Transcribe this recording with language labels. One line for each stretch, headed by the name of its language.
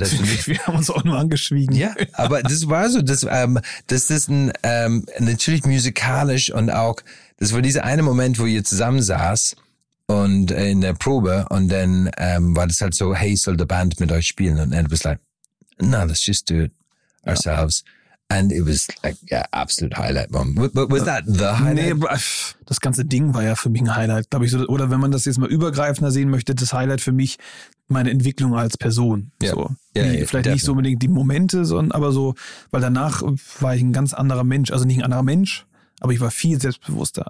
German: Wir haben uns auch nur angeschwiegen. Ja, aber das war so, das ist ein natürlich musikalisch und auch... Das war dieser eine Moment, wo ihr zusammen saß und in der Probe und dann war das halt so, hey, soll der Band mit euch spielen? Und dann war es
English: like, no, let's just do it ourselves. Ja. And it was like, yeah, absolute highlight moment. Was that the highlight?
German: Nee, das ganze Ding war ja für mich ein Highlight, glaube ich. So. Oder wenn man das jetzt mal übergreifender sehen möchte, das Highlight für mich, meine Entwicklung als Person. Yeah. So. Yeah, vielleicht definitely. Nicht so unbedingt die Momente, sondern aber so, weil danach war ich ein ganz anderer Mensch, also nicht ein anderer Mensch, aber ich war viel selbstbewusster.